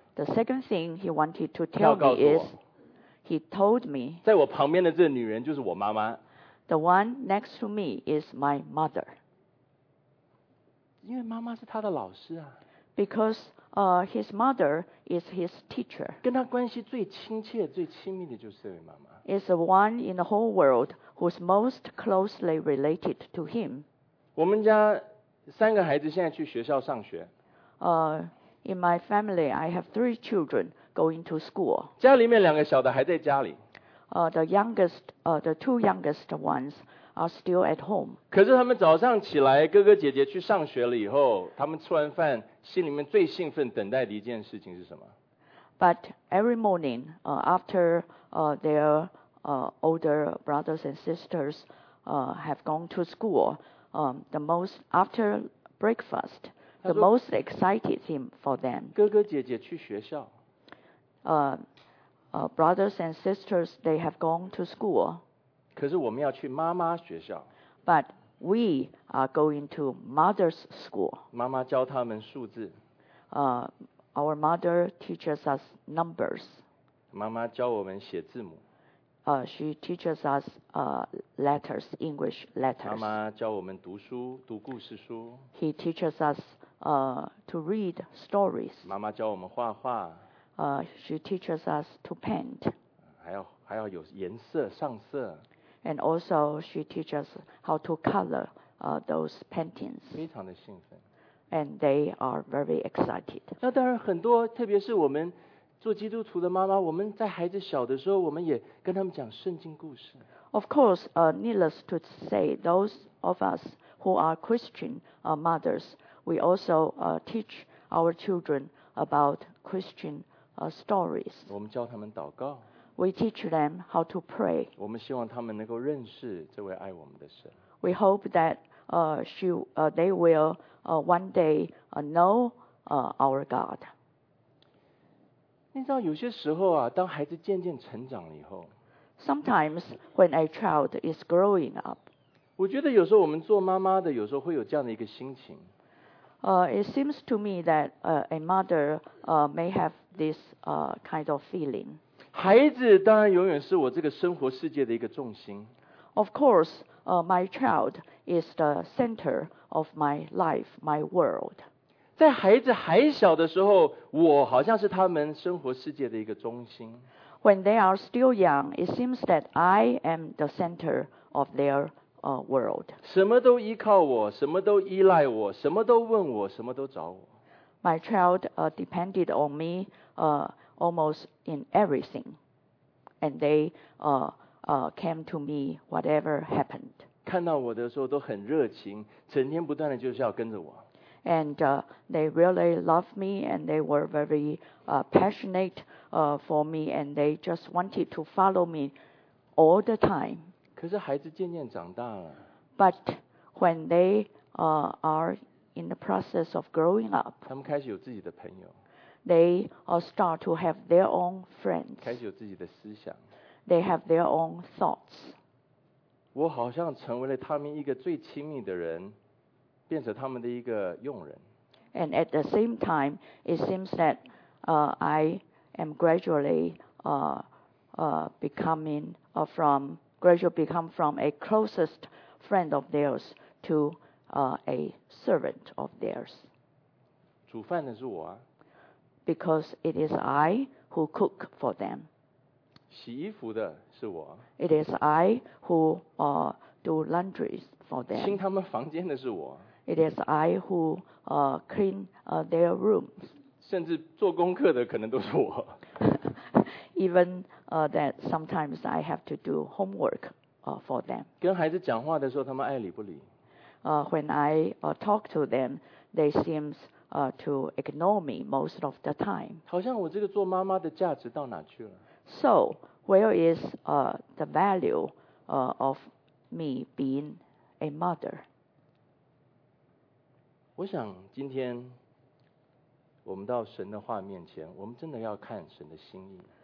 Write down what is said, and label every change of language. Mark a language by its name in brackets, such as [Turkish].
[English] The second thing he wanted to tell me is, he told me, [Chinese] 在我旁边的这个女人就是我妈妈。 [English] The one next to me is my mother. [Chinese] 因为妈妈是他的老师啊。 [English] Because his mother is his teacher. [Chinese] 跟他关系最亲切、最亲密的就是这位妈妈。 [English] Is the one in the whole world who's most closely related to him. [Chinese] 我们家三个孩子现在去学校上学。 [English] In my family, I have 3 children going to school. [Chinese] 家里面两个小的还在家里。 [English] The youngest, the 2 youngest ones. Are still at home. [Chinese] 可是他们早上起来，哥哥姐姐去上学了以后，他们吃完饭，心里面最兴奋等待的一件事情是什么？ [English] But every morning, after their older brothers and sisters have gone to school, after breakfast, the most excited thing for them. [Chinese] 哥哥姐姐去学校。 [English] Brothers and sisters, they have gone to school. [Chinese] 可是我们要去妈妈学校。 [English] But we are going to mother's school. [Chinese] 妈妈教他们数字。 [English] Our mother teaches us numbers. [Chinese] 妈妈教我们写字母。 [English] She teaches us letters, English letters. [Chinese] 妈妈教我们读书，读故事书。 [English] He teaches us to read stories. [Chinese] 妈妈教我们画画。 [English] She teaches us to paint. [Chinese] 还要有颜色，上色。 [English] And also, she teaches how to color those paintings. [Chinese] 非常的兴奋。 [English] And they are very excited. [Chinese] 那当然很多，特别是我们做基督徒的妈妈，我们在孩子小的时候，我们也跟他们讲圣经故事。 [English] Of course, needless to say, those of us who are Christian mothers, we also teach our children about Christian stories. [Chinese] 我们教他们祷告。 [English] We teach them how to pray. [Chinese] 我们希望他们能够认识这位爱我们的神。 [English] We hope that they will one day know our God. [Chinese] 你知道有些时候啊，当孩子渐渐成长了以后 [English] ，Sometimes when a child is growing up, [Chinese] 我觉得有时候我们做妈妈的，有时候会有这样的一个心情。 [English] It seems to me that a mother may have this kind of feeling. [Chinese] 孩子当然永远是我这个生活世界的一个重心。 [English] Of course, my child is the center of my life, my world. [Chinese] 在孩子还小的时候，我好像是他们生活世界的一个中心。 [English] When they are still young, it seems that I am the center of their world. [Chinese] 什么都依靠我，什么都依赖我，什么都问我，什么都找我。 [English] My child depended on me almost in everything, and they came to me whatever happened. [Chinese] 看到我的时候都很热情，整天不断的就是要跟着我。 [English] And they really loved me, and they were very passionate for me, and they just wanted to follow me all the time. [Chinese] 可是孩子渐渐长大了。 [English] But when they are in the process of growing up, [Chinese] 他们开始有自己的朋友。 [English] They start to have their own friends. [Chinese] 开始有自己的思想。 [English] They have their own thoughts. [Chinese] 我好像成为了他们一个最亲密的人。变成他们的一个佣人。 [English] And at the same time, it seems that I am gradually becoming from a closest friend of theirs to a servant of theirs. [Chinese] 煮饭的是我啊。 [English] Because it is I who cook for them. [Chinese] 洗衣服的是我。 [English] It is I who do laundries for them. [Chinese] 清他们房间的是我。 [English] It is I who clean their rooms. [Chinese] 甚至做功课的可能都是我。 [English] Even that sometimes I have to do homework for them. [Chinese] 跟孩子讲话的时候，他们爱理不理。 [English] When I talk to them, they seem to ignore me most of the time. [Chinese] 好像我这个做妈妈的价值到哪去了。 [English] So, where is the value of me being a mother? [Chinese] 我想今天我们到神的话面前，我们真的要看神的心意。